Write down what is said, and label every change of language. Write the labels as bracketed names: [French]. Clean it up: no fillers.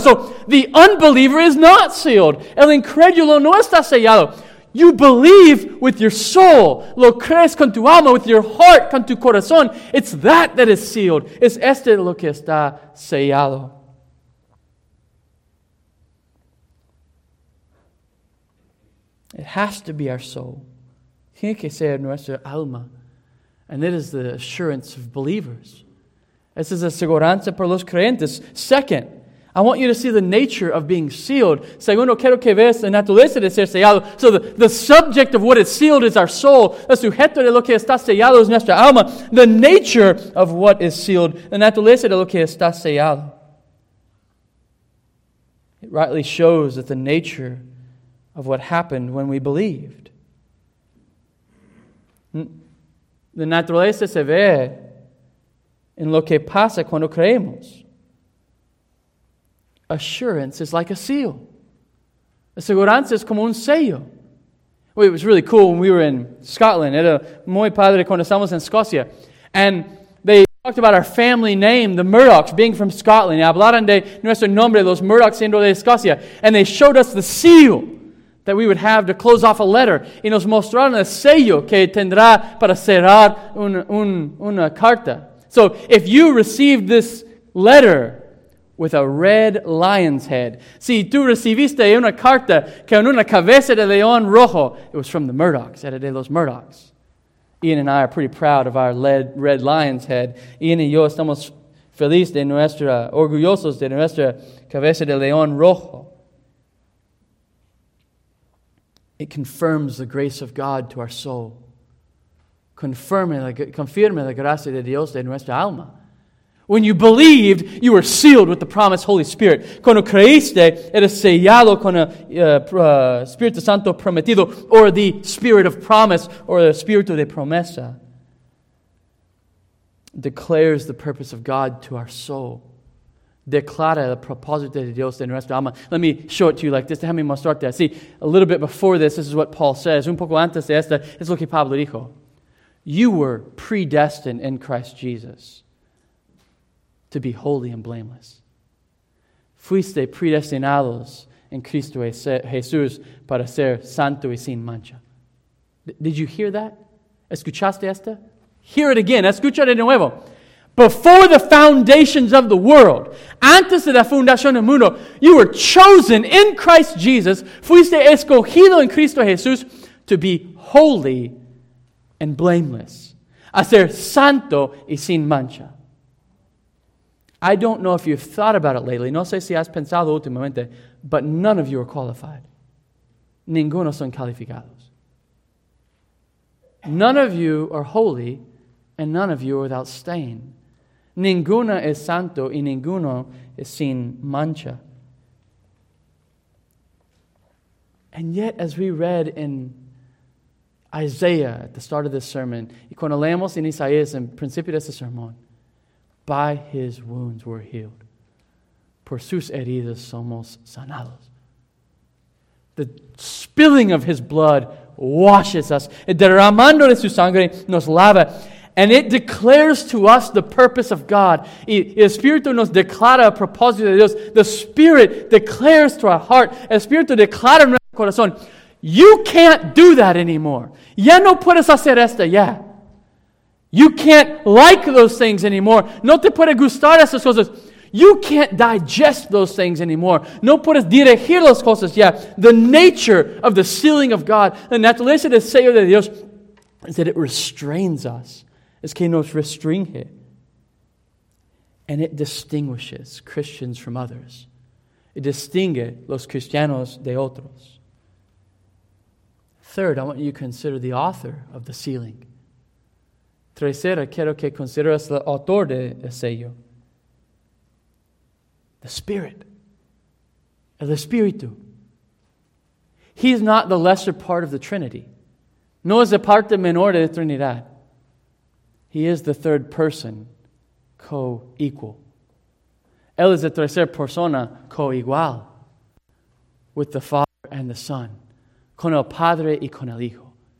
[English] So the unbeliever is not sealed. [Spanish] El incrédulo no está sellado. [English] You believe with your soul. [Spanish] Lo crees con tu alma, [English] with your heart, [Spanish] con tu corazón. [English] It's that that is sealed. [Spanish] Es este lo que está sellado. [English] It has to be our soul. [Spanish] Tiene que ser nuestra alma. [English] And it is the assurance of believers. [Spanish] Esa es la seguridad para los creyentes. [English] Second, I want you to see the nature of being sealed. [Spanish] Segundo, quiero que veas la naturaleza de ser sellado. [English] So the subject of what is sealed is our soul. [Spanish] El sujeto de lo que está sellado es nuestra alma. [English] The nature of what is sealed, the [Spanish] naturaleza de lo que está sellado. [English] It rightly shows that the nature of what happened when we believed. [Spanish] The naturaleza se ve en lo que pasa cuando creemos. [English] Assurance is like a seal. [Spanish] Aseguranza es como un sello. [English] Well, it was really cool when we were in Scotland. [Spanish] Era muy padre cuando estamos en Escocia. [English] And they talked about our family name, the Murdochs, being from Scotland. [Spanish] Y hablaron de nuestro nombre, los Murdochs, siendo de Escocia. [English] And they showed us the seal that we would have to close off a letter. [Spanish] Y nos mostraron el sello que tendrá para cerrar una carta. [English] So if you received this letter with a red lion's head. [Spanish] Si tú recibiste una carta con una cabeza de león rojo, [English] it was from the Murdochs, [Spanish] era de los Murdochs. [English] Ian and I are pretty proud of our red lion's head. [Spanish] Ian y yo estamos felices de nuestra, orgullosos de nuestra cabeza de león rojo. [English] It confirms the grace of God to our soul. [Spanish] confirme la gracia de Dios de nuestra alma. [English] When you believed, you were sealed with the promised Holy Spirit. [Spanish] Cuando creíste, eres sellado con el Espíritu Santo prometido, [English] or the Spirit of promise, or the [Spanish] Espíritu de promesa. [English] Declares the purpose of God to our soul. [Spanish] Declara el propósito de Dios en nuestra alma. [English] Let me show it to you like this. [Spanish] Déjame mostrarte así. [English] A little bit before this, this is what Paul says. [Spanish] Un poco antes de esta, es lo que Pablo dijo. [English] You were predestined in Christ Jesus to be holy and blameless. [Spanish] Fuiste predestinados en Cristo Jesús para ser santo y sin mancha. [English] Did you hear that? [Spanish] ¿Escuchaste esta? [English] Hear it again. [Spanish] Escucha de nuevo. [English] Before the foundations of the world, [Spanish] antes de la fundación del mundo, [English] you were chosen in Christ Jesus, [Spanish] fuiste escogido en Cristo Jesús, [English] to be holy and blameless, [Spanish] a ser santo y sin mancha. [English] I don't know if you've thought about it lately, [Spanish] no sé si has pensado últimamente, [English] but none of you are qualified. [Spanish] Ninguno son calificados. [English] None of you are holy, and none of you are without stain. [Spanish] Ninguno es santo y ninguno es sin mancha. [English] And yet, as we read in Isaiah at the start of this sermon, [Spanish] y cuando leemos en Isaías en principio de este sermón, [English] by his wounds we're healed. [Spanish] Por sus heridas somos sanados. [English] The spilling of his blood washes us. [Spanish] El derramando de su sangre nos lava. [English] And it declares to us the purpose of God. [Spanish] El Espíritu nos declara el propósito de Dios. [English] The Spirit declares to our heart. [Spanish] El Espíritu declara en nuestro corazón. [English] You can't do that anymore. [Spanish] Ya no puedes hacer esto ya. [English] You can't like those things anymore. [Spanish] No te puede gustar esas cosas. [English] You can't digest those things anymore. [Spanish] No puedes digerir las cosas ya. [English] The nature of the sealing of God, the [Spanish] naturaleza del sello de Dios, [English] is that it restrains us. [Spanish] Es que nos restringe. [English] And it distinguishes Christians from others. [Spanish] It distingue los cristianos de otros. [English] Third, I want you to consider the author of the sealing. [Spanish] Tercera, quiero que consideres el autor de sello. [English] The Spirit. [Spanish] El Espíritu. [English] He is not the lesser part of the Trinity. [Spanish] No es la parte menor de la Trinidad. [English] He is the third person, co-equal. [Spanish] Él es la tercera persona, co-igual, [English] with the Father and the Son, [Spanish] con el Padre y con el Hijo.